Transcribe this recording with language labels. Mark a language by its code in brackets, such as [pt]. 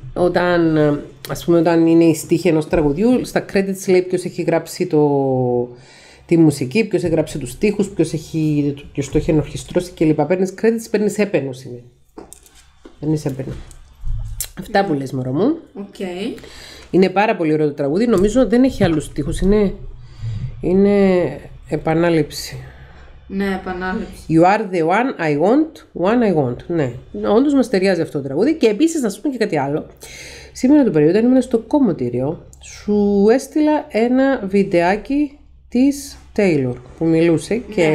[el] Όταν, ας πούμε, όταν είναι η στίχη ενός τραγουδιού, στα credits λέει ποιος έχει γράψει τη μουσική, ποιος έχει γράψει τους στίχους, ποιος το έχει ενορχιστρώσει κλπ. Παίρνεις credits, παίρνεις έπαινωση. Παίρνεις έπαινω. Αυτά που λες, μωρό μου. [en] Okay. [el] Είναι πάρα πολύ ωραίο το τραγούδι. Νομίζω δεν έχει άλλους στίχους. Είναι επανάληψη. Ναι, επανάληψη. [en] You are the one I want, one I want. [el] Ναι, όντως μας ταιριάζει αυτό το τραγούδι. Και επίσης να σου πω και κάτι άλλο. Σήμερα το πρωί, όταν ήμουν στο κομμωτήριο, σου έστειλα ένα βιντεάκι της Taylor που μιλούσε και ναι.